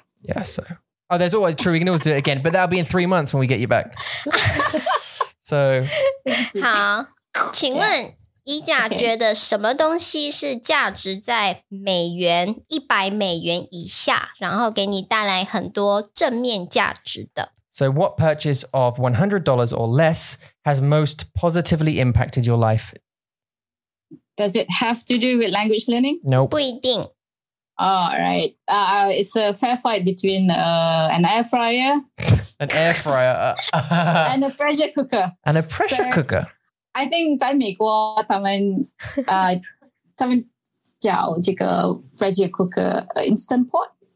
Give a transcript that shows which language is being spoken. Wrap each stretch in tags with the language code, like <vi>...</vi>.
<en>Yeah, so. Oh, that's always true. We can always do it again, but that'll be in 3 months when we get you back. So.</en> <zh>好,请问。衣架觉得什么东西是价值在美元100美元以下 然后给你带来很多正面价值的</zh> <en>So what purchase of $100 or less has most positively impacted your life? Does it have to do with language learning? Nope.</en> <zh>不一定</zh> <en>Alright, it's a fair fight between an air fryer and a pressure cooker I think</en> <zh>在美国他们叫这个</zh> <en>pressure cooker instant pot.</en>